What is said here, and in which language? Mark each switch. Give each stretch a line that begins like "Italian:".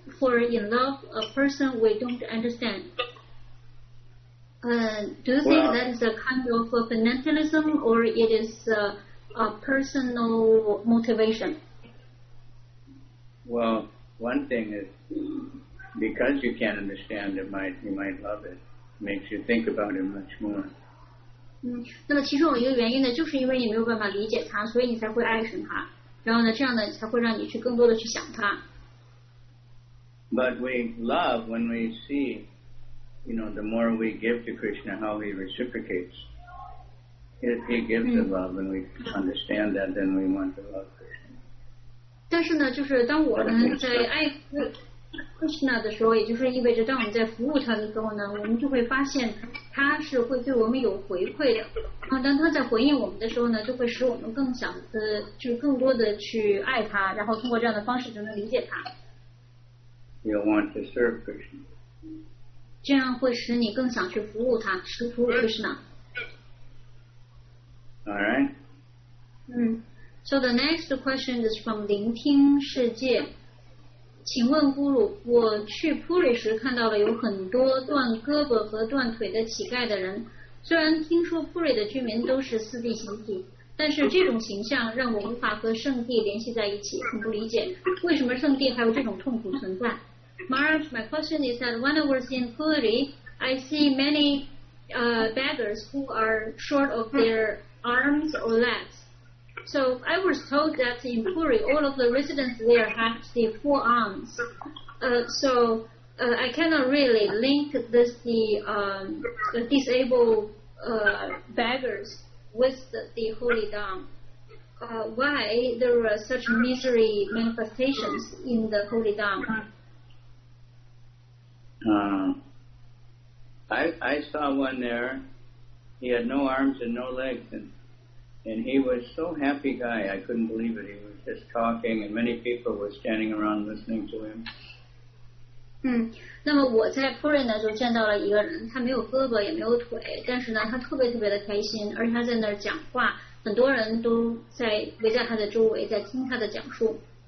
English: For in love, a person we don't understand. Do you think that is a kind of a fundamentalism or it is a personal motivation? Well, one thing is because you can't understand it, you might love it. Makes you think about it much more.
Chinese: 嗯，那么其中有一个原因呢，就是因为你没有办法理解他，所以你才会爱上他。然后呢，这样呢才会让你去更多的去想他。
English: But we love when we see, you know, the more we give to Krishna, how he reciprocates. If he gives the love and we understand that, then we want to love Krishna.
Chinese: 但是呢，就是当我们在爱 Krishna 的时候，也就是意味着当我们在服务他的时候呢，我们就会发现他是会对我们有回馈的。然后当他在回应我们的时候呢，就会使我们更想的，就是更多的去爱他，然后通过这样的方式就能理解他。
English: You'll want to serve Krishna.
Chinese: 这样会使你更想去服务他，去服务 Krishna.
English: All right. So the next question is from 聆听世界。
Chinese: 请问咕噜，我去普里时看到了有很多断胳膊和断腿的乞丐的人，虽然听说普里的居民都是四地形体，但是这种形象让我无法和圣地联系在一起，很不理解为什么圣地还有这种痛苦存在。
English: Maharaj, my question is that when I was in Puri, I see many beggars who are short of their arms or legs. So I was told that in Puri, all of the residents there have the four arms. I cannot really link this the disabled beggars with the Holy Dawn. Why there are such misery manifestations in the Holy Dawn? I saw one there. He had no arms and no legs, and he was so happy guy. I couldn't believe it. He was just talking, and many people were standing around listening to him.
Chinese: 那么我在普瑞呢就见到了一个人，他没有胳膊也没有腿，但是呢他特别特别的开心，而且他在那儿讲话，很多人都在围在他的周围在听他的讲述。